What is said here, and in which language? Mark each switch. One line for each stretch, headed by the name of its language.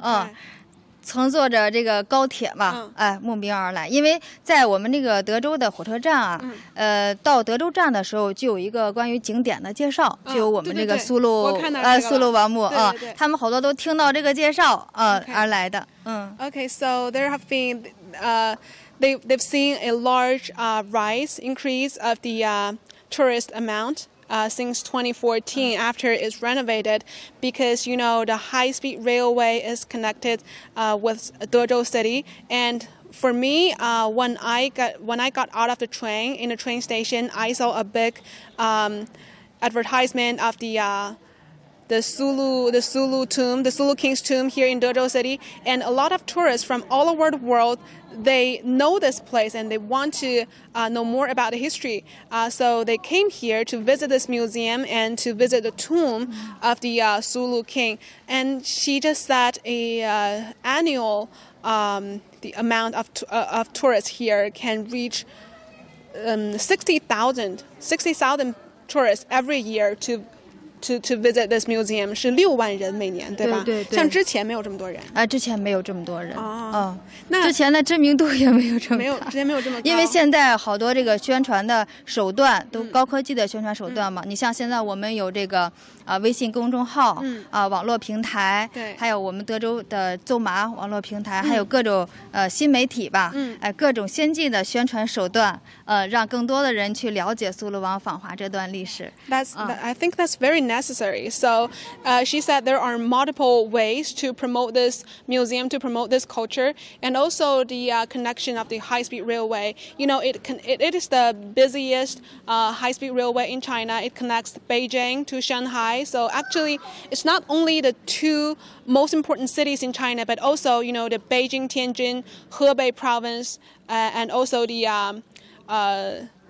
Chinese: 嗯。乘坐着这个高铁嘛，嗯，哎，慕名而来，因为在我们这个德州的火车站啊，嗯，到德州站的时候就有一个关于景点的介绍，嗯，就有我们这个苏禄，对对对，我看到这个了，苏禄王墓，对对对，嗯，他们好多都听到这个介绍，
English: okay。
Chinese: 而来的，嗯。
English: Okay, so there have been, they've seen a large rise increase of the tourist amount. Since 2014, after it's renovated, because you know the high-speed railway is connected with Dezhou City. And for me, when I got out of the train in the train station, I saw a big advertisement of the Sulu King's tomb here in Dezhou City. And a lot of tourists from all over the world. They know this place and they want to know more about the history. So they came here to visit this museum and to visit the tomb of the Sulu King. And she just said a annual the amount of tourists here can reach 60,000 tourists every year to visit this museum.
Chinese: 是60000人每年，对吧？对对对，像之前没有这么多人。之前没有这么多人。哦，那之前的知名度也没有这么高。没有，之前没有这么高。因为现在好多这个宣传的手段，嗯，都高科技的宣传手段嘛。嗯，你像现在我们有这个微信公众号，嗯，网络平台，对，还有我们德州的奏麻网络平台，嗯，还有各种新媒体吧，嗯，各种先进的宣传手段，让更多的人去了解苏禄王访华这段历史。
English: I think that's very necessary. So, she said there are multiple ways to promote this museum, to promote this culture, and also the connection of the high-speed railway. You know, it is the busiest high-speed railway in China. It connects Beijing to Shanghai. So actually, it's not only the two most important cities in China, but also, you know, the Beijing, Tianjin, Hebei province, and also the